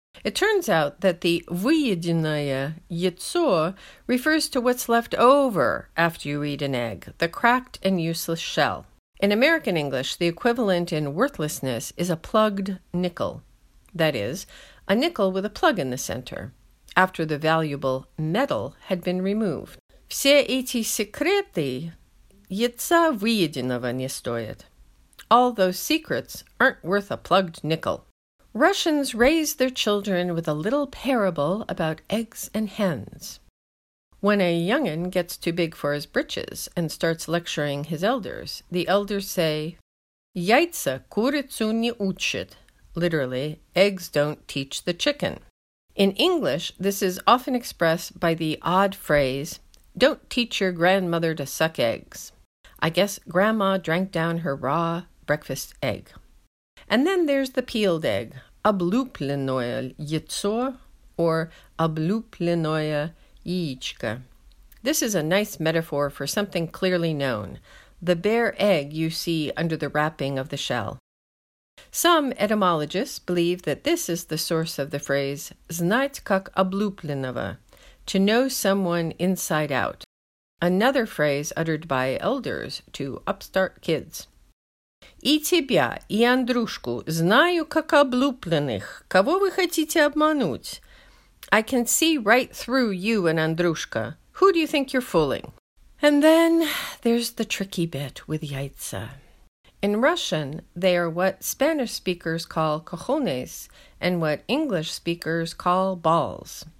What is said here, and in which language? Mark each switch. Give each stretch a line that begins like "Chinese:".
English: It turns out that the
Russian: выеденное яйцо
English: refers to what's left over after you eat an egg, the cracked and useless shell. In American English, the equivalent in worthlessness is a plugged nickel, that is, a nickel with a plug in the center, after the valuable metal had been removed.
Russian: Все эти секреты яйца выеденного не стоят.
English: All those secrets aren't worth a plugged nickel. Russians raise their children with a little parable about eggs and hens. When a young'un gets too big for his britches and starts lecturing his elders, the elders say,
Russian: Яйца курицу не учит,
English: literally, eggs don't teach the chicken. In English, this is often expressed by the odd phrase, Don't teach your grandmother to suck eggs. I guess grandma drank down her raw breakfast egg. And then there's the peeled egg,
Russian: облупленное яйцо,
English: or
Russian: облупленное яичко,
English: this is a nice metaphor for something clearly known, the bare egg you see under the wrapping of the shell. Some etymologists believe that this is the source of the phrase
Russian: «знать как облупленного»,
English: to know someone inside out, another phrase uttered by elders to upstart kids.
Russian: «И тебя, и Андрушку знаю как облупленных. Кого вы хотите обмануть?»
English: I can see right through you and Andrushka. Who do you think you're fooling? And then there's the tricky bit with яйца. In Russian, they are what Spanish speakers call cojones and what English speakers call balls.